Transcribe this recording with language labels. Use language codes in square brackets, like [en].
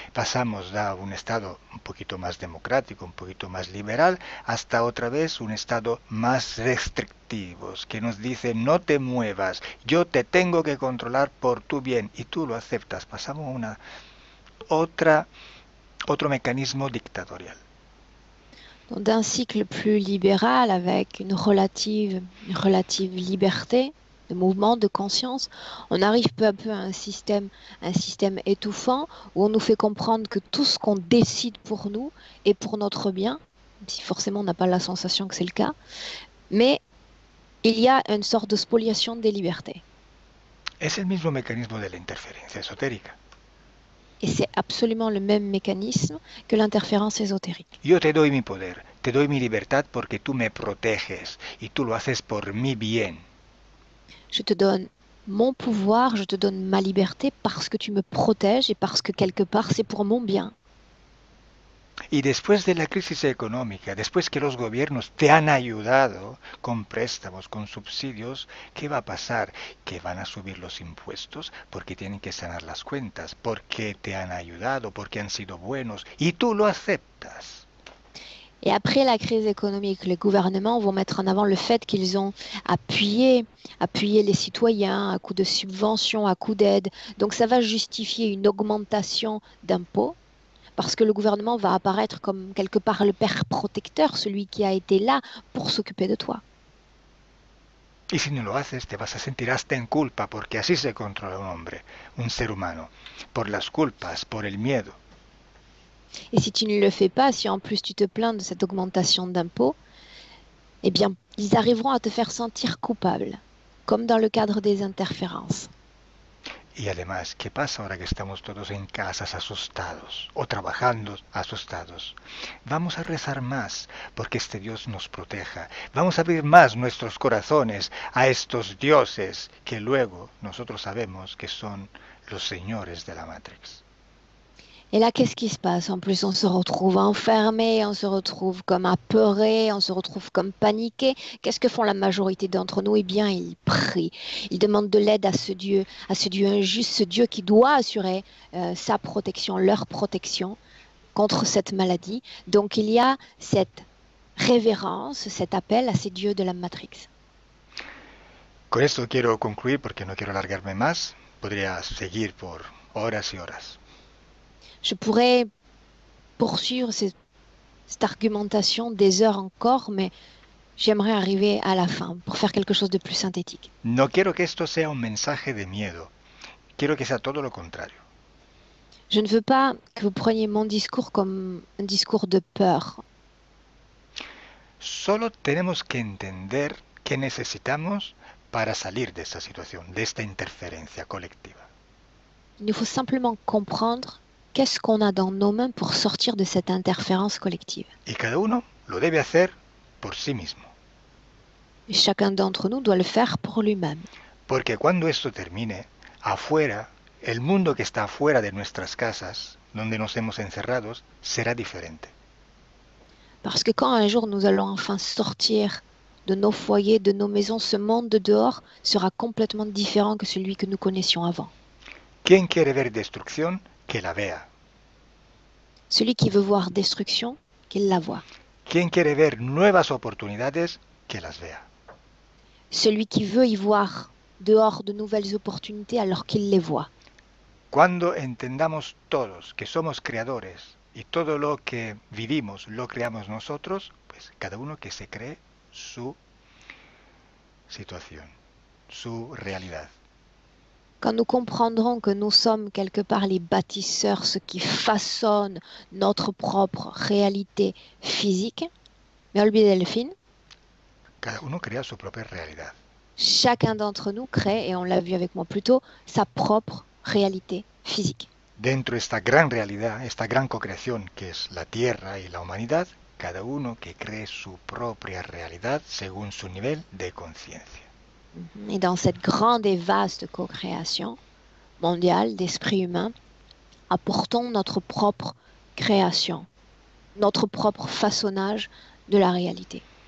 [es] Pasamos de un estado un poquito más democrático, un poquito más liberal, hasta otra vez un estado más restrictivo, que nos dice no te muevas, yo te tengo que controlar por tu bien y tú lo aceptas. Pasamos a otro mecanismo dictatorial. [fr] D'un cycle plus libéral avec une relative liberté de mouvement, de conscience, on arrive peu à peu à un système étouffant où on nous fait comprendre que tout ce qu'on décide pour nous est pour notre bien, si forcément on n'a pas la sensation que c'est le cas, mais il y a une sorte de spoliation des libertés. [es] Es el mismo mecanismo de la interferencia esotérica. [fr] Et c'est absolument le même mécanisme que l'interférence ésotérique. [es] Yo te doy mi poder, te doy mi libertad porque tú me proteges y tú lo haces por mi bien. [fr] Je te donne mon pouvoir, je te donne ma liberté parce que tu me protèges et parce que quelque part c'est pour mon bien. [es] Y después de la crisis económica, después que los gobiernos te han ayudado con préstamos, con subsidios, ¿qué va a pasar? Que van a subir los impuestos porque tienen que sanar las cuentas, porque te han ayudado, porque han sido buenos y tú lo aceptas. [fr] Et après la crise économique, les gouvernements vont mettre en avant le fait qu'ils ont appuyé les citoyens à coups de subventions, à coups d'aides. Donc ça va justifier une augmentation d'impôts parce que le gouvernement va apparaître comme quelque part le père protecteur, celui qui a été là pour s'occuper de toi. [es] Y si no lo haces, te vas a sentir hasta en culpa, porque así se controla un hombre, un ser humano, por las culpas, por el miedo. [fr] Et si tu ne le fais pas, si en plus tu te plains de cette augmentation d'impôts, eh bien, ils arriveront à te faire sentir coupable, comme dans le cadre des interférences. [es] Y además, ¿qué pasa ahora que estamos todos en casas asustados o trabajando asustados? Vamos a rezar más porque este Dios nos proteja. Vamos a abrir más nuestros corazones a estos dioses que luego nosotros sabemos que son los señores de la Matrix. [fr] Et là, qu'est-ce qui se passe? En plus, on se retrouve enfermé, on se retrouve comme apeuré, on se retrouve comme paniqué. Qu'est-ce que font la majorité d'entre nous? Eh bien, ils prient, ils demandent de l'aide à ce Dieu injuste, ce Dieu qui doit assurer sa protection, leur protection, contre cette maladie. Donc il y a cette révérence, cet appel à ces dieux de la Matrix. [es] Con esto quiero concluir porque no quiero alargarme más. Podría seguir por horas y horas. [fr] Je pourrais poursuivre cette argumentation des heures encore, mais j'aimerais arriver à la fin pour faire quelque chose de plus synthétique. [es] No quiero que esto sea un mensaje de miedo. Quiero que sea todo lo contrario. [fr] Je ne veux pas que vous preniez mon discours comme un discours de peur. [es] Solo tenemos que entender qué necesitamos para salir de esta situación, de esta interferencia colectiva. [fr] Il nous faut simplement comprendre qu'est-ce qu'on a dans nos mains pour sortir de cette interférence collective. [es] Y cada uno lo debe hacer por sí mismo. [fr] Et chacun d'entre nous doit le faire pour lui-même. [es] Porque cuando esto termine, afuera, el mundo que está afuera de nuestras casas, donde nos hemos encerrado, será diferente. [fr] Parce que quand un jour nous allons enfin sortir de nos foyers, de nos maisons, ce monde dehors sera complètement différent que celui que nous connaissions avant. [es] ¿Quién quiere ver destrucción? Que la vea. [fr] Celui qui veut voir destruction, qu'il la voie. [es] ¿Quién quiere ver nuevas oportunidades? Que las vea. [fr] Celui qui veut y voir dehors de nouvelles opportunités alors qu'il les voit. [es] Cuando entendamos todos que somos creadores y todo lo que vivimos lo creamos nosotros, pues cada uno que se cree su situación, su realidad. [fr] Quand nous comprendrons que nous sommes quelque part les bâtisseurs, ceux qui façonnent notre propre réalité physique, Melby Delphine, [es] Cada uno crea su propia realidad. [fr] chacun d'entre nous crée, et on l'a vu avec moi plus tôt, sa propre réalité physique. [es] Dentro de esta gran realidad, esta gran co-creación que es la Tierra y la humanidad, cada uno que cree su propia realidad según su nivel de conciencia. [fr] Et dans cette grande et vaste co-création mondiale d'esprit humain, apportons notre propre création, notre propre façonnage de la réalité.